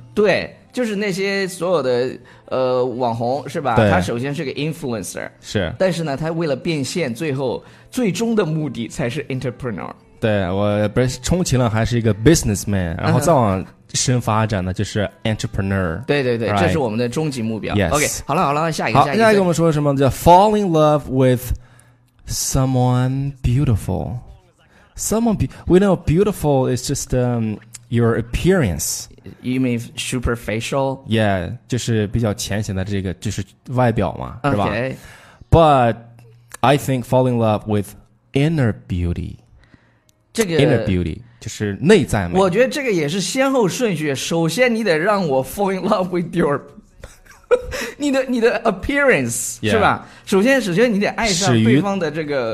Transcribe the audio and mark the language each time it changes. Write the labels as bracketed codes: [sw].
[zh] 对，就是那些所有的网红是吧，他首先是个 influencer，是，但是呢他为了变现最终的目的才是 entrepreneur。对，我不是充其量还是一个 businessman， 然后再往、深发展的就是 entrepreneur。对对对、 [en] right? [zh] 这是我们的终极目标、 [en] yes. [zh] OK 好了好了，下一个。好，下一个跟我们说什么，叫 [en] fall in love with someone beautiful。 We know beautiful is just your appearance. You mean superficial? [zh] Yeah， 就是比较浅显的这个就是外表嘛、 [en] okay. [zh] 是吧。 [en] But I think fall in love with inner beauty， [zh] 这个 inner beauty 就是内在美。我觉得这个也是先后顺序，首先你得让我 [en] fall in love with your [zh] 你的 appearance、 [en] yeah. [zh] 是吧，首先你得爱上对方的这个